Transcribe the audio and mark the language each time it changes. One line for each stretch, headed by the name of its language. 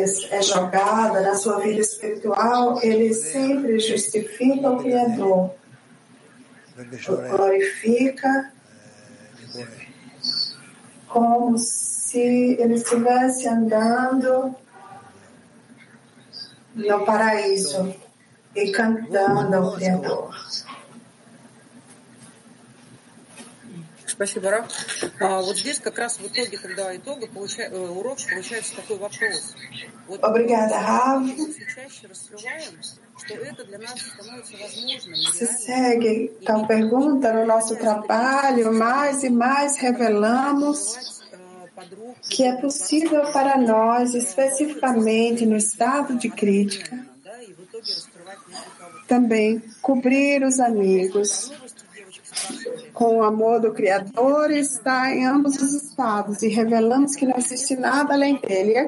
Portuguese: é jogada na sua vida espiritual, ele sempre justifica o Criador, o glorifica como se ele estivesse andando no paraíso e cantando ao Criador.
Russian: Спасибо, Раф. Вот здесь как раз в итоге, когда итога урок, получается такой вопрос. Вот,
Portuguese: Obrigada, Раф.
Russian: Мы все чаще раскрываем, что это для нас становится возможным.
Portuguese: Se segue a pergunta no nosso trabalho, mais e mais revelamos que é possível para nós, especificamente no estado de crítica, também cobrir os amigos com o amor do Criador, está em ambos os estados e revelamos que não existe nada além dele.